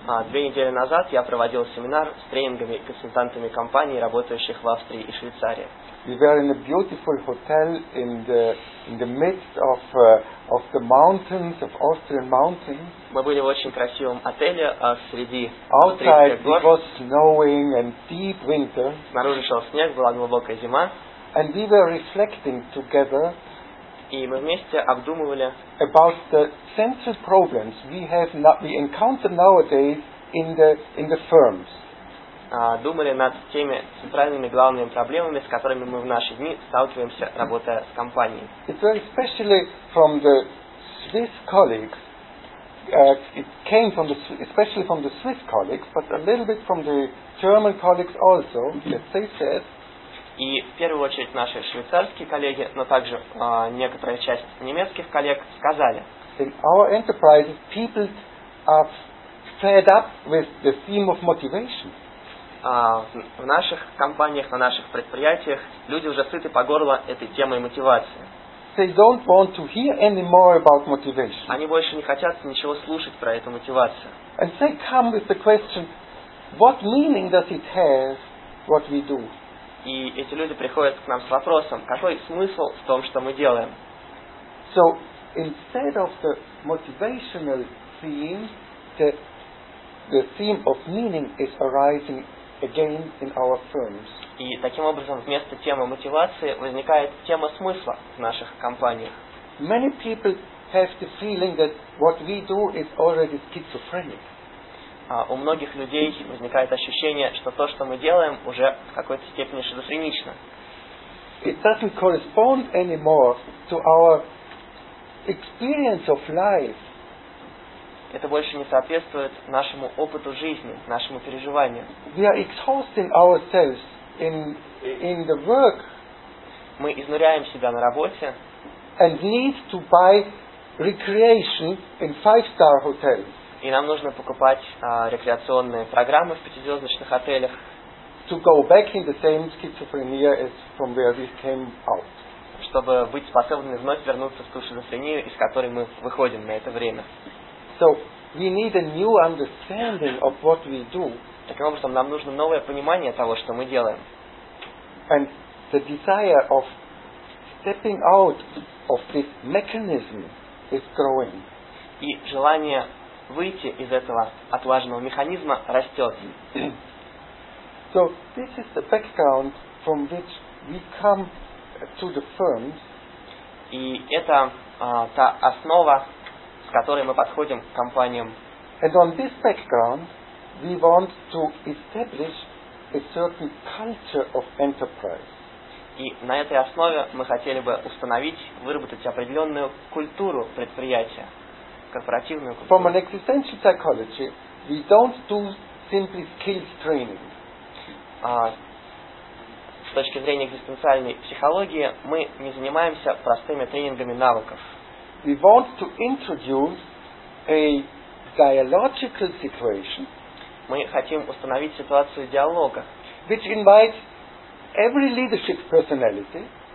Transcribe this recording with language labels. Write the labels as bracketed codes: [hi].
[ru] 2 недели назад я проводил семинар с тренингами и консультантами компаний, работающих в Австрии и Швейцарии. [en] We were in a beautiful hotel in the midst of the mountains, of Austrian mountains. [ru] Мы были в очень красивом отеле среди [en] Outside it was snowing and deep winter. [ru] Снаружи шел снег, была глубокая зима. [en] And we were reflecting together. [ru] И мы вместе обдумывали [en] about the central problems we encounter nowadays in the firms. [ru] Думали над теми центральными главными проблемами, с которыми мы в наши дни сталкиваемся, работая с компанией. [en] It's very especially from the Swiss colleagues. It came from the especially from the Swiss colleagues, but a little bit from the German colleagues also. That they said. [ru] И в первую очередь наши швейцарские коллеги, но также некоторая часть немецких коллег сказали. [en] In our enterprises, people are fed up with the theme of motivation. [ru] В наших компаниях, на наших предприятиях люди уже сыты по горло этой темой мотивации. [en] They don't want to hear any more about motivation. [ru] Они больше не хотят ничего слушать про эту мотивацию. [en] And they come with the question, what meaning does it have what we do? [ru] И эти люди приходят к нам с вопросом, какой смысл в том, что мы делаем? [en] So instead of the motivational theme, the theme of meaning is arising again in our firms. [ru] И таким образом вместо темы мотивации возникает тема смысла в наших компаниях. [en] Many people have the feeling that what we do is already schizophrenic. [ru] У многих людей возникает ощущение, что то, что мы делаем, уже в какой-то степени шизофренично. [en] It doesn't correspond anymore to our experience of life. [ru] Это больше не соответствует нашему опыту жизни, нашему переживанию. [en] We are exhausting ourselves in the work. [ru] Мы изнуряем себя на работе. [en] And need to buy recreation in 5-star hotels. [ru] И нам нужно покупать рекреационные программы в 5-звездочных отелях. [en] To go back in the same schizophrenia as from where we came out. [ru] Чтобы быть способными вновь вернуться в ту шизофрению, из которой мы выходим на это время. [en] So we need a new understanding of what we do. [ru] Таким образом, нам нужно новое понимание того, что мы делаем. [en] And the desire of stepping out of this mechanism is growing. [ru] И желание выйти из этого отлаженного механизма растет. [en] So this is the background from which we come to the firms. [ru] И это та основа, с которой мы подходим к компаниям. [en] And on this background, we want to establish a certain culture of enterprise. [ru] И на этой основе мы хотели бы установить, выработать определенную культуру предприятия. [en] From an existential psychology, we don't do simply skills training. [ru] С точки зрения экзистенциальной психологии, мы не занимаемся простыми тренингами навыков. [en] We want to introduce a dialogical situation. [ru] Мы хотим установить ситуацию диалога, [en] which invites every leadership personality,